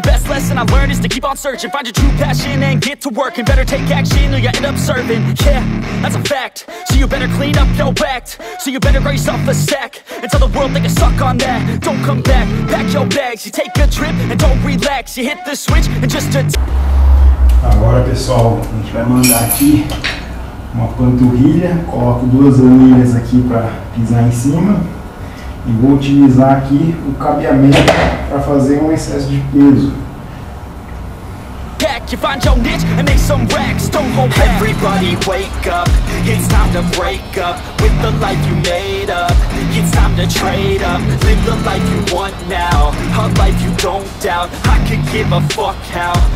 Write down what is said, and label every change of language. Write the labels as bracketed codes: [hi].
[en] Best lesson I learned is to keep on searching. Find your true passion and get to work. And better take action or you end up serving. Yeah, that's a fact. So you better clean up your act. So you better raise up a sack. And tell the world they can suck on that. Don't come back, pack your bags. You take a trip and don't relax. You hit the switch and just attack. [pt] Agora, pessoal, a gente vai mandar aqui uma panturrilha, coloco duas anilhas aqui para pisar em cima e vou utilizar aqui o cabeamento para fazer um excesso de peso. [en] You find your niche and make some racks. Don't hold back. Everybody wake up. It's time to break up with the life you made up. It's time to trade up. Live the life you want now. A life you don't doubt. I could give a fuck how.